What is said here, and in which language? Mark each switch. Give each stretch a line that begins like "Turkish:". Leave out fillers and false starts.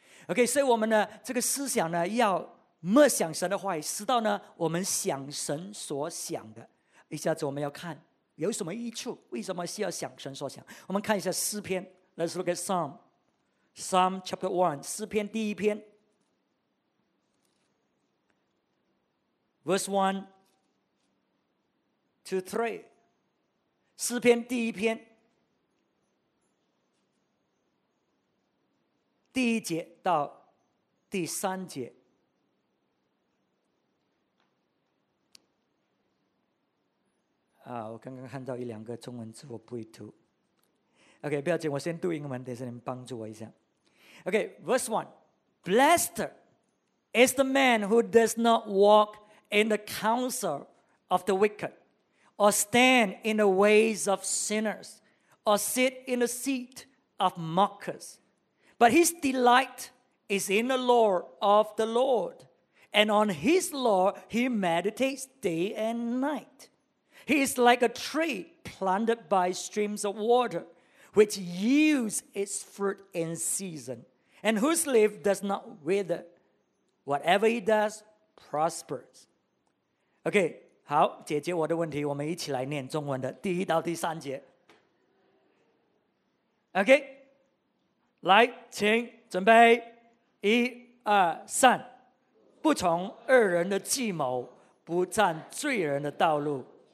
Chinese: Okay, 所以我们呢这个思想呢要默想神的话语，使到呢我们想神所想的。一下子我们要看有什么益处？为什么需要想神所想？我们看一下诗篇 ，
English: Let's look at Psalm chapter one，
Chinese: 诗篇第一篇 ，
English: verse one to three，
Chinese: 诗篇第一篇第一节到第三节。我刚刚看到一两个中文字我不会读。OK, 不要紧，我先读英文，等一下你们帮助我一下。
English: OK, verse 1. Blessed is the man who does not walk in the counsel of the wicked, or stand in the ways of sinners, or sit in the seat of mockers. But his delight is in the law of the Lord, and on his law he meditates day and night. He is like a tree planted by streams of water, which yields its fruit in season, and whose leaf does not wither. Whatever he does prospers.
Chinese: Okay, 好，解决我的问题，我们一起来念中文的第一到第三节。 Okay, 来，请准备，一、二、三，不从恶人的计谋，不占罪人的道路。